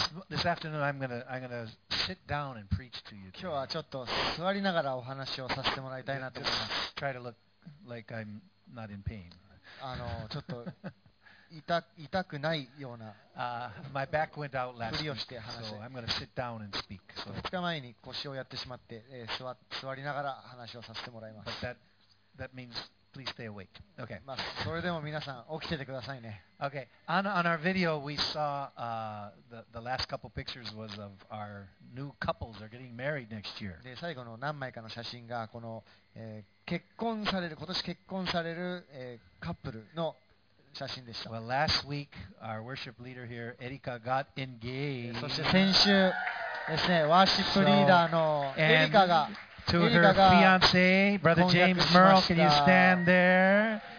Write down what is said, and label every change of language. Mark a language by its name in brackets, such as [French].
[English] This afternoon I'm gonna sit down and preach to you. [Japanese] 今日はちょっと座りながらお話をさせてもらいたいなと思います。 [English] Just try to look like I'm not in pain. [Japanese] ちょっと痛くないような。 [English] My back went out last week, so I'm gonna sit down and speak. [Japanese] 2日前に腰をやってしまって、座りながら話をさせてもらいます。 [English] But that means please stay awake. Okay. [Japanese] まあそれでも皆さん起きててくださいね。 [English] Okay. On our video, we saw the last couple pictures was of our new couples are getting married next year. [Japanese] で最後の何枚かの写真がこの、結婚される今年結婚される、カップルの写真でした。 [English] Well, last week our worship leader here, Erika, got engaged. [Japanese] そして先週ですね、ワーシップリーダーのエリカが。 [English] To her fiance, Brother James Merle, can you stand there?